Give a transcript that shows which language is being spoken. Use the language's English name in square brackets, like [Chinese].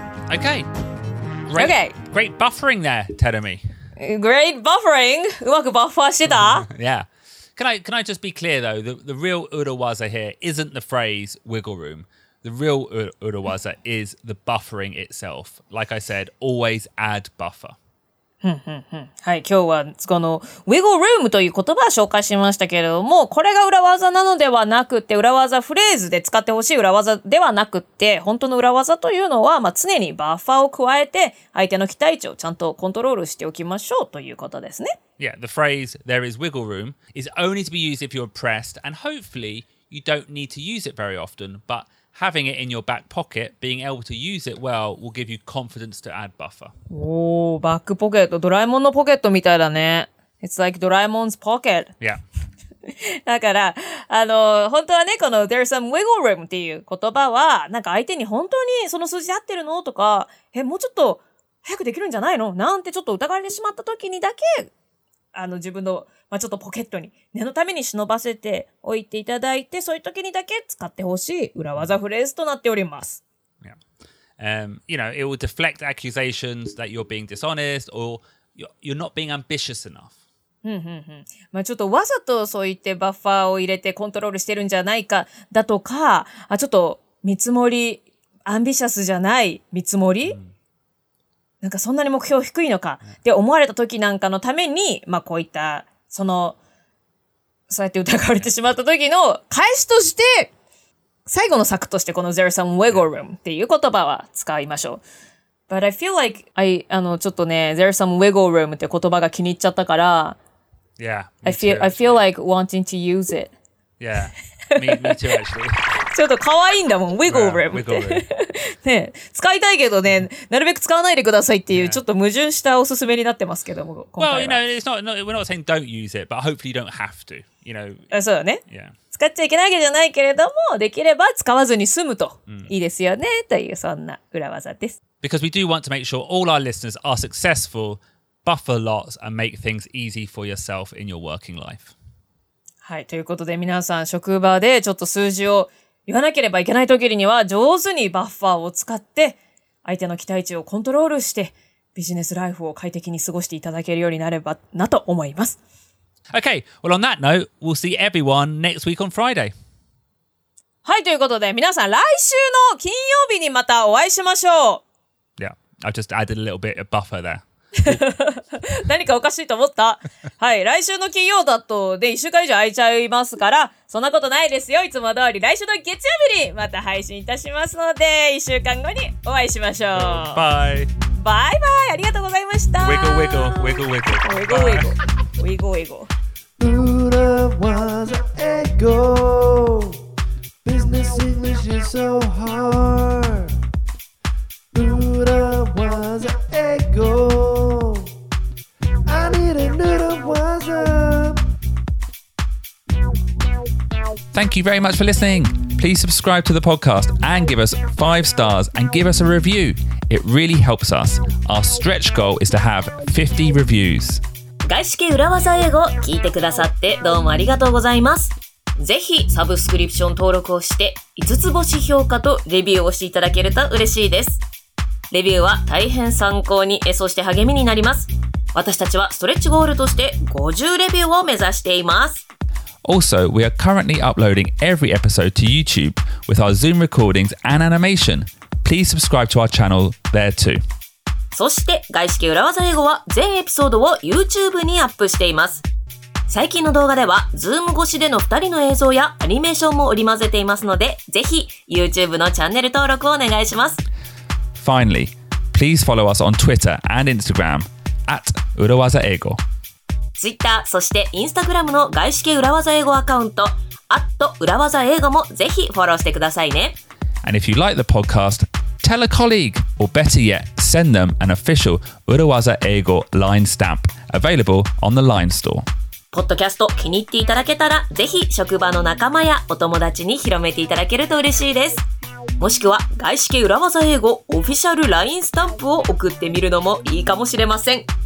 [English] Okay. Great, okay. Great buffering there, Tenomi. Great buffering. [Japanese] うまくバッファーしてた? [English] Yeah. Can I just be clear though? The real urawaza here isn't the phrase wiggle room. The real urawaza is the buffering itself. Like I said, always add buffer. [Japanese] はい、今日はこの wiggle room という言葉を紹介しましたけれども、これが裏技なのではなくて、裏技フレーズで使ってほしい裏技ではなくて、本当の裏技というのは、まあ、常にバッファーを加えて、相手の期待値をちゃんとコントロールしておきましょうということですね。 [English] Yeah, the phrase, there is wiggle room, is only to be used if you're pressed, and hopefully you don't need to use it very often, but having it in your back pocket, being able to use it well, will give you confidence to add buffer. Oh, back pocket. [Japanese] ドラえもんのポケットみたいだね。 [English] It's like Doraemon's pocket. Yeah. [Japanese] だから、本当はね、この [English] there's some wiggle room [Japanese] っていう言葉は、なんか相手に本当にその数字合ってるのとか、もうちょっと早くできるんじゃないのなんてちょっと疑われてしまった時にだけ、自分の、まあ、ちょっとポケットに念のために忍ばせておいていただいて、そういう時にだけ使ってほしい裏技フレーズとなっております。 [English] You know, it will deflect accusations that you're being dishonest or you're not being ambitious enough. [Japanese] まあちょっとわざとそう言ってバッファーを入れてコントロールしてるんじゃないかだとか、あちょっと見積もり、アンビシャスじゃない見積もり、なんかそんなに目標低いのかって思われた時なんかのために、まあこういったそうやって疑われてしまった時の返しとして、最後の策としてこの [English] There's some wiggle room [Japanese] っていう言葉は使いましょう。 [English] But I feel like [Japanese] ちょっとね、 [English] There's some wiggle room [Japanese] って言葉が気に入っちゃったから、 [English] Yeah, I feel like wanting to use it. Yeah, me too actually. [Japanese] ちょっと可愛いんだもん、wiggle room って。Yeah, [English] wiggle room. [Japanese] ね、使いたいけどね、なるべく使わないでくださいっていう、ちょっと矛盾したおすすめになってますけども、今回は。 [English] Well, you know, we're not saying don't use it, but hopefully you don't have to, you know. [Japanese] そうだね。 [English] Yeah. [Japanese] 使っちゃいけないわけじゃないけれども、できれば使わずに済むといいですよね、というそんな裏技です。 [English] Because we do want to make sure all our listeners are successful, buffer lots, and make things easy for yourself in your working life. [Japanese] はい、ということで皆さん職場でちょっと数字を言わなければいけない時には上手にバッファーを使って相手の期待値をコントロールしてビジネスライフを快適に過ごしていただけるようになればなと思います。 [English] Okay, well on that note, we'll see everyone next week on Friday. [Japanese] はい、ということで皆さん来週の金曜日にまたお会いしましょう。 [English] Yeah, I just added a little bit of buffer there. [Japanese] 何かおかしいと思った。はい、来週の金曜だとで1週間以上空いちゃいますからそんなことないですよ。いつも通り来週の月曜日にまた配信いたしますので1週間後にお会いしましょう。 [English] Bye. Bye bye. [Japanese] ありがとうございました。 [English] Wiggle wiggle wiggle wiggle. Wiggle wiggle. Wiggle wiggle. Buddha was an ego. Business English is so hard. Buddha was an ego. I need a Buddha was a. Thank you very much for listening. Please subscribe to the podcast and give us 5 stars and give us a review. It really helps us. Our stretch goal is to have 50 reviews. [Japanese] 外資系裏技英語聞いてくださってどうもありがとうございます。ぜひサブスクリプション登録をして5つ星評価とレビューをしていただけると嬉しいです。レビューは大変参考に、そして励みになります。私たちはストレッチゴールとして50レビューを目指しています。 [English] Also, we are currently uploading every episode to YouTube with our Zoom recordings and animation. Please subscribe to our channel there too. [Japanese] そして、外資系裏技英語は全エピソードを YouTube にアップしています。最近の動画では、Zoom 越しでの2人の映像やアニメーションも織り交ぜていますので、ぜひ YouTube のチャンネル登録をお願いします。 [English] Finally, please follow us on Twitter and Instagram at @urawazaego. [Japanese] Twitter, そして Instagram の外資系裏技英語アカウント @urawazaego もぜひフォローしてくださいね。 [English] And if you like the podcast, tell a colleague, or better yet, send them an official urawazaego line stamp available on the Line Store. [Japanese] ポッドキャスト気に入っていただけたら、ぜひ職場の仲間やお友達に広めていただけると嬉しいです。もしくは外資系裏技英語オフィシャル LINE スタンプを送ってみるのもいいかもしれません。